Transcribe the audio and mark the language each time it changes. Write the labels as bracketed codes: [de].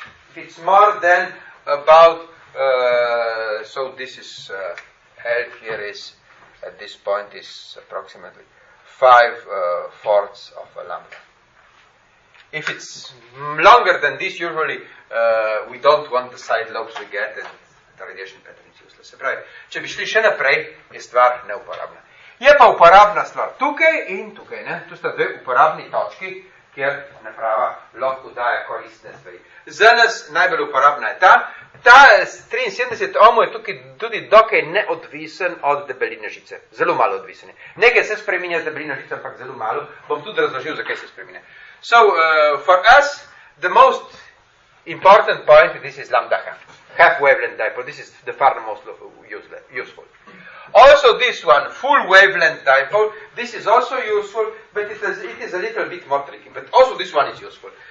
[en] If it's more than about, so this is, L here is, at this point is approximately 5/4 of a lambda. If it's longer than this, usually we don't want the side lobes we get and the radiation pattern is useless. [sl] Se pravi, če bi šli še naprej, je stvar neuporabna. Je pa uporabna stvar tukaj in tukaj, ne? To sta dve uporabni točki, kjer naprava lahko daje koristne stvari. Za nas najbolj uporabna je ta. Ta 73 ohmov je tukaj tudi dokaj neodvisen od debeline žice. Zelo malo odvisen je. Nekaj se spreminja z debelino žice, ampak zelo malo. Bom tudi razložil, zakaj se spreminja. [en] So, for us, the most important point, this is lambda half wavelength dipole. This is the far most useful. Also this one, full wavelength dipole, this is also useful, but it is a little bit more tricky, but also this one is useful.